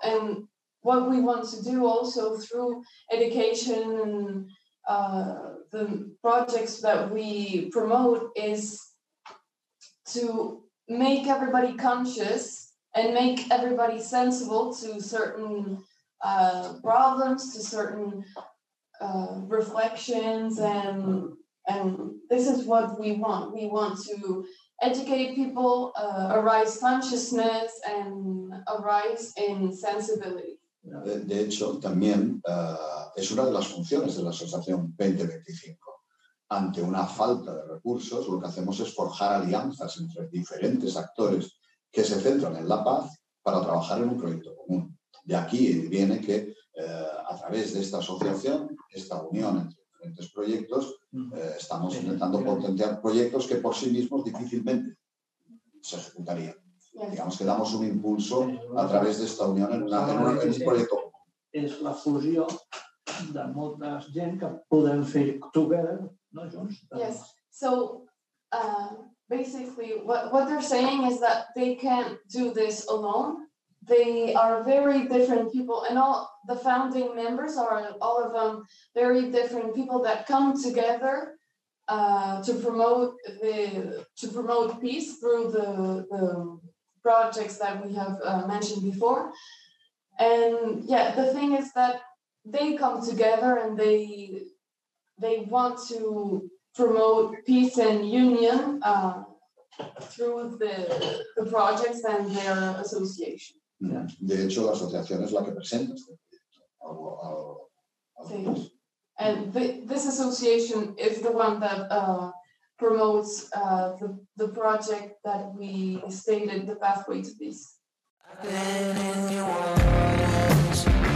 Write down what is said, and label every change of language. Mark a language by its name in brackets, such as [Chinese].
[English] And what we want to do also through education and the projects that we promote is to make everybody conscious and make everybody sensible to certain problems, to certain reflections, and this is what we want. We want to educate people, arise consciousness, and arise in sensibility. [Spanish] De hecho, también es una de las funciones de la Asociación 2025. Ante una falta de recursos, lo que hacemos es forjar alianzas entre diferentes actores que se centran en la paz para trabajar en un proyecto común. De aquí viene que a través de esta asociación, esta unión entre diferentes proyectos, estamos intentando potenciar proyectos que por sí mismos difícilmente se ejecutarían. Digamos que damos un impulso a través de esta unión en un proyecto. Es la fusión de muchas gente que pueden hacer [English] together, [Spanish] ¿no, Jones? [English] Yes. So, basically, what they're saying is that they can't do this alone. they are very different people, and all the founding members are all of them very different people that come together to promote peace through the projects that we have mentioned before. And yeah, the thing is that they come together and they want to promote peace and union through the projects and their association. Yeah. [Spanish] De hecho, la asociación es la que presenta este proyecto. [English] And this association is the one that promotes the project that we stated, the pathway to peace. I've been in your world.